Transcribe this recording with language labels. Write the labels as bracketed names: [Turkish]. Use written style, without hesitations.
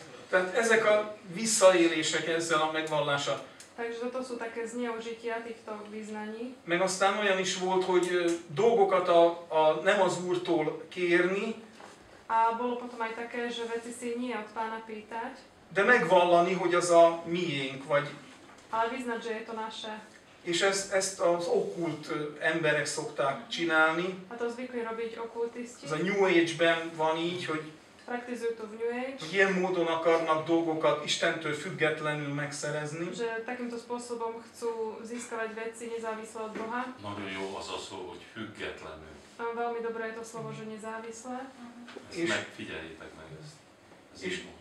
[Hungarian] Tehát ezek a visszaélések ezzel a megvallása. [Slovak] Takže toto sú také zneužitia týchto vyznaní. [Hungarian] Meg aztán olyan is volt, hogy dolgokat a nem az Úrtól kérni. [Slovak] A bolo potom aj také, že veci si nie od Pána pýtať. [Hungarian] De megvallani, hogy az a miénk, vagy... [Slovak] Ale vyznať, že je to naše. [Hungarian] És ezt az okkult emberek szokták csinálni. [Slovak] A to zvykli robiť okkultisti. [Hungarian] Ez a New Age-ben van így, hogy... [Slovak] Praktizujú to v New Age. [Hungarian] Ilyen módon akarnak dolgokat Istentől függetlenül megszerezni. [Slovak] Že takýmto spôsobom chcú získavať veci nezávisle od Boha. [Hungarian] Nagyon jó az a szó, hogy függetlenül. [Slovak] A veľmi dobré je to slovo, že nezávisle. [Hungarian] Ezt megfigyeljétek meg ezt.